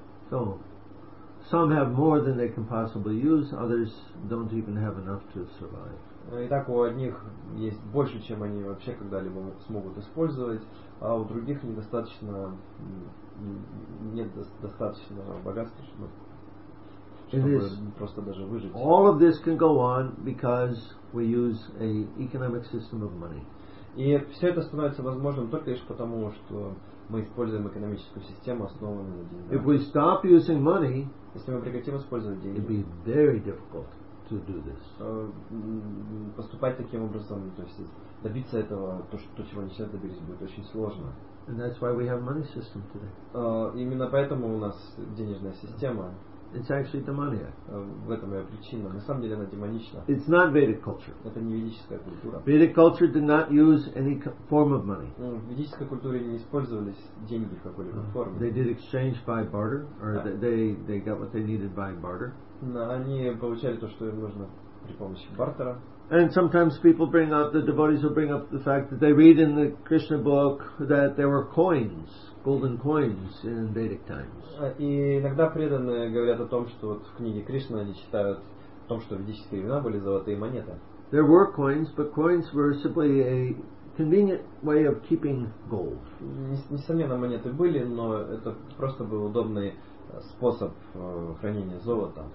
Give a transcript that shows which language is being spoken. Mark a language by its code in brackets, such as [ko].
[en] So, some have more than they can possibly use, others don't even have enough to survive. [ru] Итак, у одних есть больше, чем они вообще когда-либо смогут использовать, а у других недостаточно, нет достаточного богатства, чтобы просто даже выжить. [en] All of this can go on because we use a economic system of money. [ru] И все это становится возможным только лишь потому, что мы используем экономическую систему, основанную на деньгах. [en] If we stop using money, [ru] если мы прекратим использовать деньги, [en] it'd be very difficult to do this. [ru] Поступать таким образом, то есть добиться этого, то чего не сейчас добились, будет очень сложно. [en] And that's why we have money system today. [ru] Именно поэтому у нас денежная система. [en] It's actually demoniac. [ru] В этом ее причина. На самом деле она демонична. [en] It's not Vedic culture. [ru] Это не ведическая культура. [en] Vedic culture did not use any form of money. [ru] В ведической культуре не использовались деньги в какой-либо форме. [en] They did exchange by barter, or they got what they needed by barter. [ru] Они получали то, что им нужно при помощи бартера. [en] And sometimes people bring up, the devotees will bring up the fact that they read in the Krishna book that there were coins, golden coins in Vedic times. [ru] И иногда преданные говорят о том, что вот в книге Кришны они читают о том, что в ведические времена были золотые монеты. [en] There were coins, but coins were simply a convenient way of keeping gold. [ru] Несомненно, монеты были, но это просто был удобный способ хранения золота.